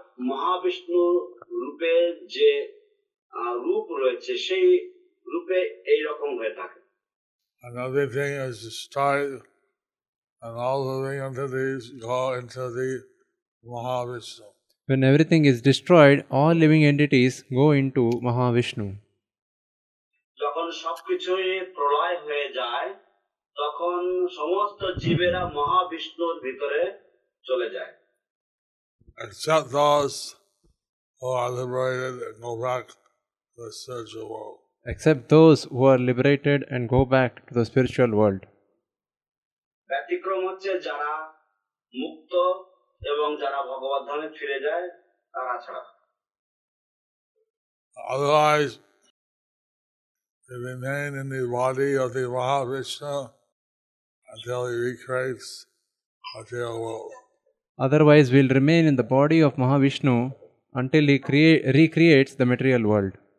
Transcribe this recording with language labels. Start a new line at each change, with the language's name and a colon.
Bangla: মহাবিষ্ণু রূপে যে রূপ রয়েছে সেই রূপে এই রকম হয়ে থাকে।
English: Another thing is the sky and all living entities go into the Mahavishnu. When everything is destroyed, all living entities go into Mahavishnu.
Bangla: যখন সবকিছুই প্রলয় হয়ে যায় তখন সমস্ত জীবেরা মহাবিষ্ণুর ভিতরে চলে যায়।
English: Except those who are liberated and go back to the spiritual world. Except those who are liberated and go back to the spiritual world.
Bangla: ব্যতিক্রম হচ্ছে যারা মুক্ত এবং যারা ভগবত ধামে ফিরে যায় তারা ছাড়া।
English: Otherwise, they remain in the body of the Mahavishnu until he recreates material world. Otherwise, we'll remain in the body of Mahavishnu until he recreates the material world.